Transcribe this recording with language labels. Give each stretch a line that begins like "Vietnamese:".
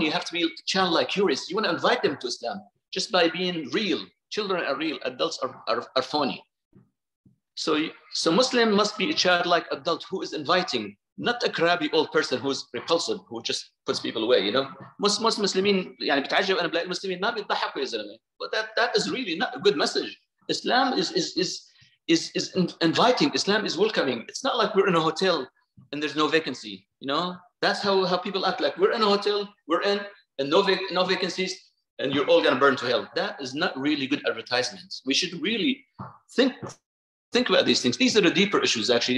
English: You have to be childlike, curious. You want to invite them to Islam just by being real. Children are real. Adults are phony. So Muslim must be a childlike adult who is inviting, not a crabby old person who's repulsive, who just puts people away, you know? Most Muslimin,
Arabic: يعني بتعجب أنا بلاقي المسلمين ما بيضحكوا يا زلمة.
English: But that is really not a good message. Islam is inviting. Islam is welcoming. It's not like we're in a hotel and there's no vacancy, you know? That's how people act. Like, we're in a hotel, we're in, and no vacancies, and you're all gonna burn to hell. That is not really good advertisements. We should really think about these things. These are the deeper issues, actually.